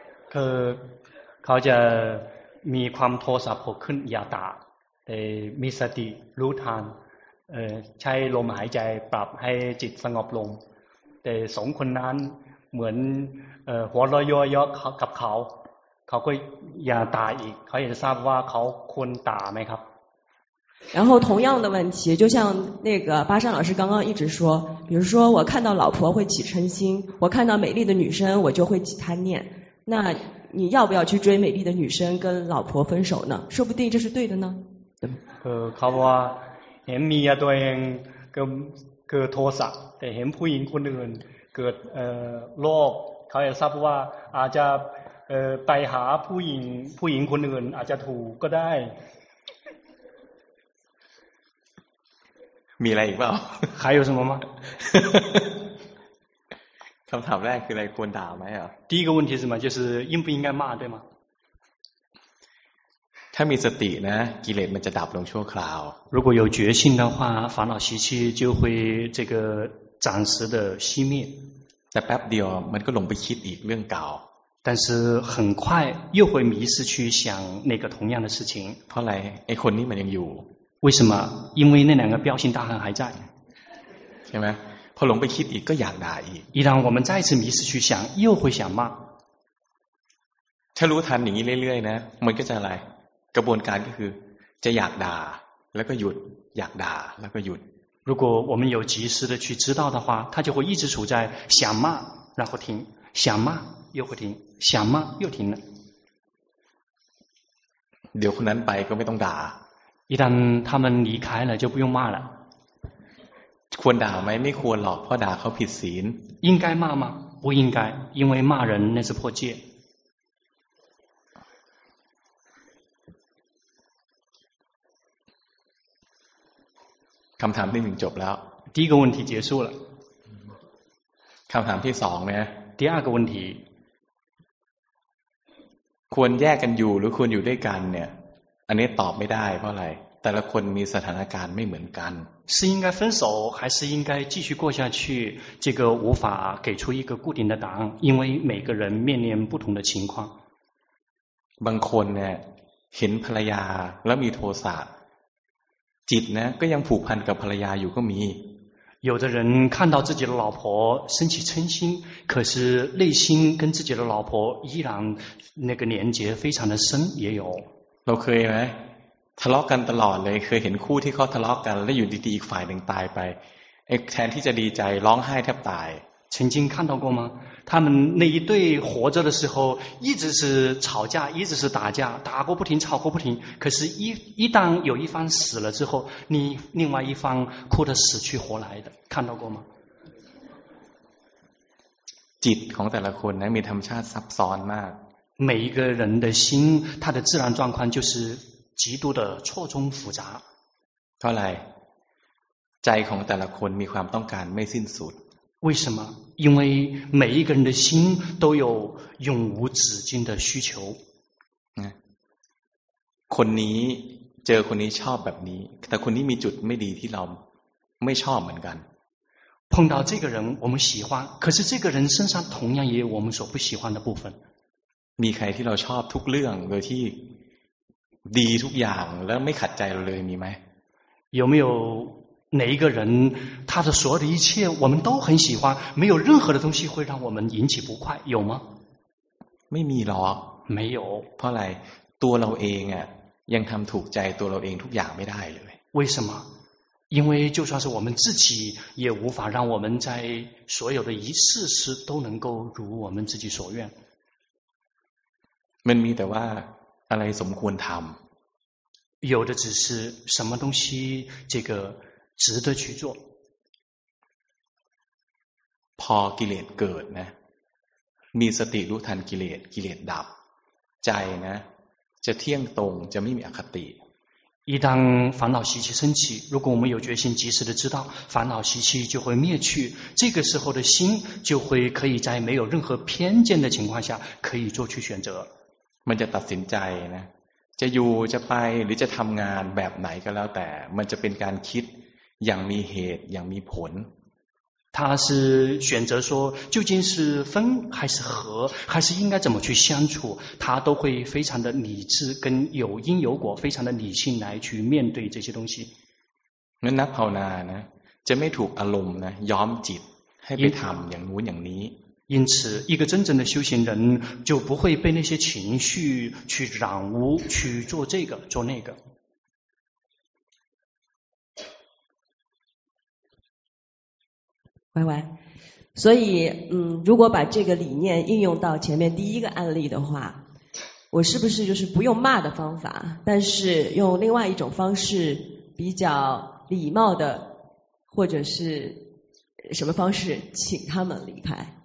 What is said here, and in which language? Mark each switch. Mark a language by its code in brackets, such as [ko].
[th] 可考姐มีความโทสะโผล่ขึ้นอย่าด่าแต่มีสติรู้ทันใช้ลมหายใจปรับให้จิตสงบลงแต่สองคนนั้นเหมือนหัวเราะย่อยๆกับเขาก็อย่าด่าอีกเขาอยากจะทราบว่าเขาควรด่าไหมครับ [zh] 然后同样的问题就像那个巴山老师刚刚一直说比如说我看到老婆会起嗔心我看到美丽的女生我就会起贪念那你要不要去追美丽的女生跟老婆分手呢说不定这是对的呢对 [th] เขาว่าเห็นเมียตัวเองเกิดโทสะแต่เห็นผู้หญิงคนอื่นเกิดโลภเขาอยากทราบว่าอาจจะไปหาผู้หญิงคนอื่นอาจจะถูกก็ได้มีอะไรอีกเปล่า ใครอยู่สมมติ คำถามแรกคืออะไรควรด่าไหมอ่ะ [zh] 第一个问题是什么就是应不应该骂对吗 [th] ถ้ามีสตินะกิเลสมันจะดับลงชั่วคราว [zh] 如果有决心的话烦恼习气就会这个暂时的熄灭 [th] แต่แป๊บเดียวมันก็หลงไปคิดอีกเรื่องเก่า [zh] 但是很快又会迷失去想那个同样的事情 [th] เพราะอะไรไอ้คนนี้มันยังอยู่ [zh] 为什么因为那两个彪形大汉还在 [th] ใช่ไหมพอหลงไปคิดอีกก็อยากด่าอีก [zh] 一旦我们再次迷失去想又会想骂 [th] ถ้ารู้ทันอย่างนี้เรื่อยๆนะมันก็จะอะไรกระบวนการก็คือจะอยากด่าแล้วก็หยุดอยากด่าแล้วก็หยุด [zh] 如果我们有及时的去知道的话它就会一直处在想骂然后停想骂又会停想骂又停了 [th] เดี๋ยวคนนั้นไปก็ไม่ต้องด่า [zh] 一旦他们离开了就不用骂了 [th] ควรด่าไหมไม่ควรหรอกเพราะด่าเขาผิดศีล [zh] 应该骂吗不应该因为骂人那是破戒 [th] คำถามที่หนึ่งจบแล้ว [zh] 第一个问题结束了 [th] คำถามที่สองเนี่ย [zh] 第二个问题 [th] ควรแยกกันอยู่หรือควรอยู่ด้วยกันเนี่ยอันนี้ตอบไม่ได้เพราะอะไรแต่ละคนมีสถานการณ์ไม่เหมือนกัน [zh] 是应该分手还是应该继续过下去这个无法给出一个固定的答案因为每个人面临不同的情况 [th] บางคนเนี่ยเห็นภรรยาแล้วมีโทสะ จิตนะก็ยังผูกพันกับภรรยาอยู่ก็มี [zh] 有的人看到自己的老婆升起嗔心，可是内心跟自己的老婆依然那个连结非常的深，也有。 [th] เราเคยไหมทะเลาะกันตลอดเลยเคยเห็นคู่ที่เขาทะเลาะกันแล้วอยู่ดีๆอีกฝ่ายหนึ่งตายไปแทนที่จะดีใจร้องไห้แทบตาย [zh] 曾经看到过吗？他们那一对活着的时候一直是吵架，一直是打架，打过不停，吵过不停。可是一旦有一方死了之后，另外一方哭得死去活来的，看到过吗？ [th] จิตของแต่ละคนนั้นมีธรรมชาติซับซ้อนมาก [zh] 每一个人的心他的自然状况就是极度的错综复杂。 [th] เท่าไหร่ใจของแต่ละคนมีความต้องการไม่สิ้นสุด [zh] 为什么？因为每一个人的心都有永无止境的需求。 [th] คนนี้เจอคนนี้ชอบแบบนี้แต่คนนี้มีจุดไม่ดีที่เราไม่ชอบเหมือนกัน [zh] 碰到这个人我们喜欢可是这个人身上同样也有我们所不喜欢的部分 [th] มีใครที่เราชอบทุกเรื่องโดยที่ดีทุกอย่างแล้วไม่ขัดใจเราเลยมีไหม [zh] 有没有哪一个人他的所有的一切我们都很喜欢没有任何的东西会让我们引起不快有吗 [th] ไม่มีหรอก [zh] 没有 [th] เพราะอะไรตัวเราเองอ่ะยังทำถูกใจตัวเราเองทุกอย่างไม่ได้เลย [zh] 为什么因为就算是我们自己也无法让我们在所有的一事事都能够如我们自己所愿 [th] มันมีแต่ว่าอะไรสมควรทำ [zh] 有的只是什么东西这个值得去做 [th] พอกิเลสเกิดนะมีสติรู้ทันกิเลสกิเลสดับใจนะจะเที่ยงตรงจะไม่มีอคติ [zh] 一旦烦恼习气升起如果我们有决心及时的知道烦恼习气就会灭去这个时候的心就会可以在没有任何偏见的情况下可以做出选择 [th] มันจะตัดสินใจนะจะอยู่จะไปหรือจะทำงานแบบไหนก็แล้วแต่มันจะเป็นการคิดอย่างมีเหตุอย่างมีผล [zh] 他是选择说究竟是分还是合还是应该怎么去相处他都会非常的理智跟有因有果非常的理性来去面对这些东西 [th] นั้นนักภาวนานะจะไม่ถูกอารมณ์นะย้อมจิตให้ไปทำอย่างนู้นอย่างนี้ [zh] 因此一个真正的修行人就不会被那些情绪去染污去做这个做那个喂喂，所以如果把这个理念应用到前面第一个案例的话，我是不是就是不用骂的方法，但是用另外一种方式，比较礼貌的，或者是什么方式请他们离开？